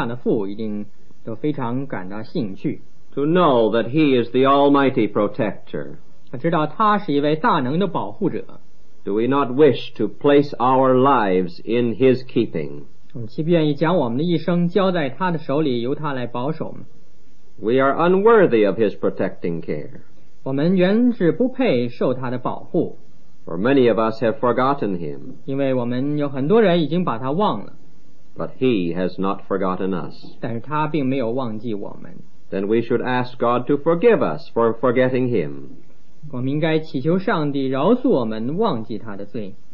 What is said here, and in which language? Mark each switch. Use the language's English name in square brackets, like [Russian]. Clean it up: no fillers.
[Chinese] 在我们这次播音接触的时候，我相信每个人对于这位天上的父一定都非常感到兴趣。 [English] To know that he is the Almighty Protector. [Chinese] 知道他是一位大能的保护者。 [English] Do we not wish to place our lives in his keeping? [Chinese] 岂不愿意将我们的一生交在他的手里，由他来保守吗？ [English] We are unworthy of his protecting care. [Chinese] 我们原是不配受他的保护。 [English] For many of us have forgotten him. [Chinese] 因为我们有很多人已经把他忘了。 [English] But he has not forgotten us. [Chinese] 但是他并没有忘记我们。 [English] Then we should ask God to forgive us for forgetting him. [Chinese] 我们应该祈求上帝饶恕我们忘记他的罪。